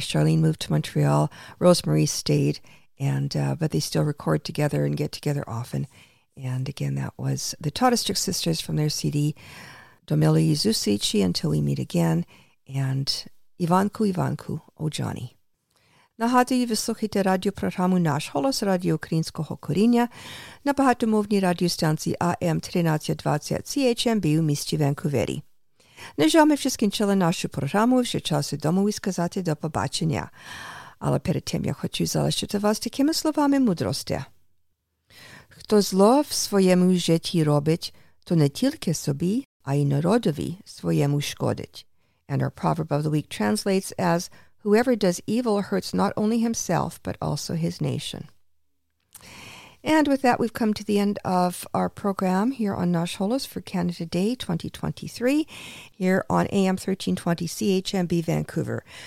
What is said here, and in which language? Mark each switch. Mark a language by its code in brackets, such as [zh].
[en] Charlene moved to Montreal. Rosemarie stayed, but they still record together and get together often. And again, that was the Todestrick Sisters from their CD, Domili Zusici, Until We Meet Again, and Ivanku, Ivanku, O Johnny. [uk] Нагадую, ви слухаєте радіопрограму «Наш голос» радіо Українського коріння на багатомовній радіостанції АМ 1320 CHMB у місті Ванкувері. На жаль, ми вже скінчили нашу програму, вже час відомо і сказати до побачення. Але перед тим я хочу залишити вас такими словами мудрості. Хто зло в своєму житті робить, то не тільки собі, а й народові своєму шкодить. [en] And our proverb of the week translates as, whoever does evil hurts not only himself, but also his nation. And with that, we've come to the end of our program here on Nash Holos for Canada Day 2023, here on AM 1320 CHMB Vancouver.